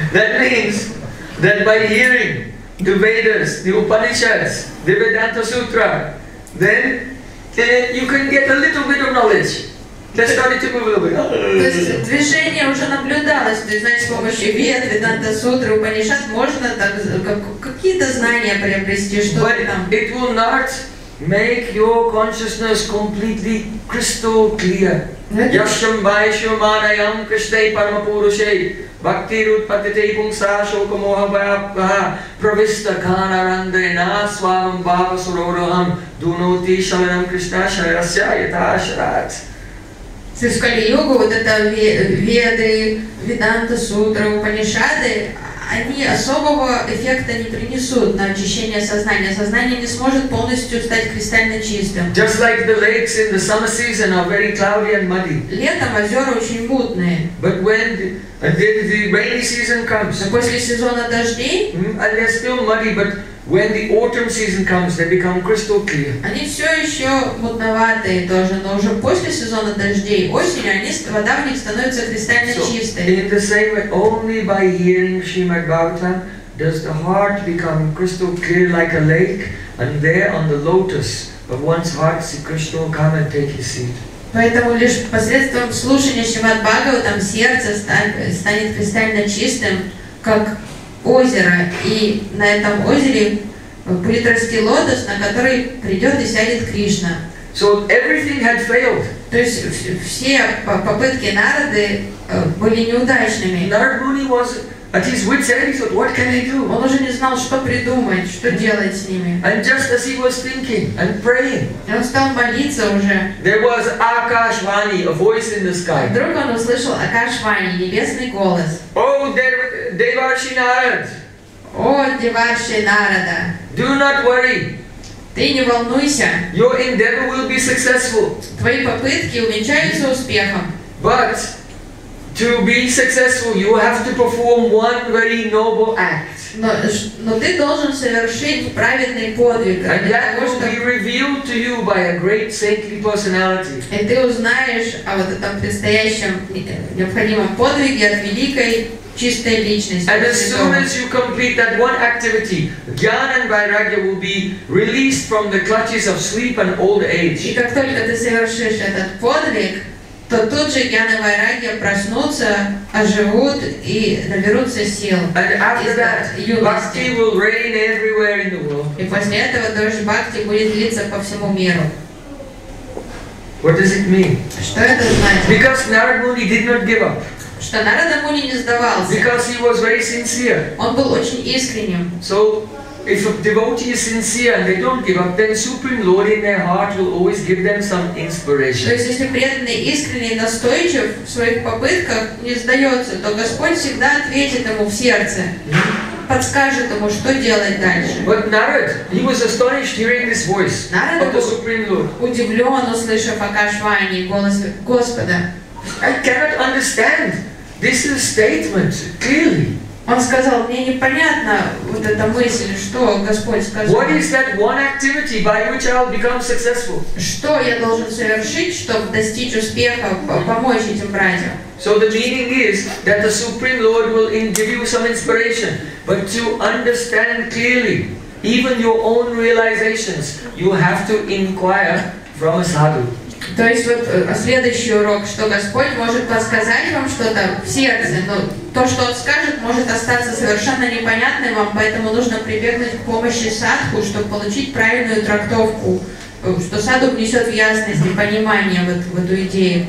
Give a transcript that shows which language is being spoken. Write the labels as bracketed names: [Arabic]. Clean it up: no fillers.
[English] That means that by hearing the Vedas, the Upanishads, the Vedanta Sutra, then you can get a little bit of knowledge. They started to move a little bit. [Russian] То есть движение уже наблюдалось, то есть, знаете, с помощью Вед, Веданта Сутры, Упанишад можно так какие-то знания приобрести, что там. [English] But it will not make your consciousness completely crystal clear. [Sanskrit] Yashyam vaishyam anayam krishtei paramapurushei bhaktirutpatitei pungsashokamohabhaha pravista khana randre nasvam bhavasuroroham dunoti shalanam krishna sharasya yatasharat. [Russian] То есть в Кали-Югу вот это Веды, Веданта Сутра, Упанишады, они особого эффекта не принесут на очищение сознания. Сознание не сможет полностью стать кристально чистым. [English] Just like the lakes in the summer season are very cloudy and muddy. [Russian] Летом озера очень мутные. [English] But when the rainy season comes. [Russian] Но после сезона дождей. [English] And they're still muddy, but when the autumn season comes, they become crystal clear. [Russian] Они все еще мутноватые тоже, но уже после сезона дождей, осенью, они, вода в них становится кристально чистой. [English] In the same way, only by hearing Srimad Bhagavatam does the heart become crystal clear like a lake, and there on the lotus of one's heart, see Krishna will come and take his seat. [Russian] Поэтому лишь посредством слушания Шримад Бхагаватам сердце станет кристально чистым, как озеро, и на этом озере Притрасский лотос, на который придет и сядет Кришна. [English] So everything had failed. [Russian] То есть все попытки Нарады были неудачными. [English] Narad Muni was at his wit's end. He thought, "What can I do?" [Russian] Он уже не знал, что придумать, что делать с ними. [English] And just as he was thinking and praying, [Russian] он стал молиться уже. [English] There was Akashvani, a voice in the sky. [Russian] Вдруг он услышал Акашвани, небесный голос. [English] Oh, Devarshi Narad. [Russian] О, Деварши Нарада. [English] Do not worry. [Russian] Ты не волнуйся. [English] Your endeavor will be successful. [Russian] Твои попытки увенчаются успехом. [English] But to be successful, you have to perform one very noble act. [Russian] Но ты должен совершить праведный подвиг. [English] And that will be revealed to you by a great saintly personality. [Russian] И ты узнаешь о вот этом предстоящем необходимом подвиге от великой чистой личности. [English] And as soon as you complete that one activity, jnana and vairagya will be released from the clutches of sleep and old age. [Russian] И как только ты совершишь этот подвиг, то тут же jnana и vairagya проснутся, оживут и наберутся сил. [English] And after that, bhakti will reign everywhere in the world. [Russian] И после этого тоже бхакти будет длиться по всему миру. [English] What does it mean? Because Narad Muni did not give up. [Russian] Что Нарада Муни не сдавался. [English] Because he was very sincere. [Russian] Он был очень искренним. [English] So, if a devotee is sincere and they don't give up, then Supreme Lord in their heart will always give them some inspiration. [Russian] То есть, если преданный искренний, настойчив в своих попытках, не сдается, то Господь всегда ответит ему в сердце, подскажет ему, что делать дальше. [English] But Narad, he was astonished hearing this voice Narada of the Supreme Lord. [Russian] Удивлен, услышав Акашвани, голос Господа. [English] I cannot understand. This is a statement, clearly. [Russian] Он сказал, мне непонятно вот эта мысль, что Господь сказал. [English] What is that one activity by which I'll become successful? [Russian] Что я должен совершить, чтобы достичь успеха, помочь этим братьям? [English] So the meaning is that the Supreme Lord will give you some inspiration, but to understand clearly, even your own realizations, you have to inquire from a sadhu. [Russian] То есть вот следующий урок, что Господь может подсказать вам что-то в сердце, но то, что Он скажет, может остаться совершенно непонятным вам, поэтому нужно прибегнуть к помощи садху, чтобы получить правильную трактовку, что садху внесет в ясность и понимание вот в эту идею.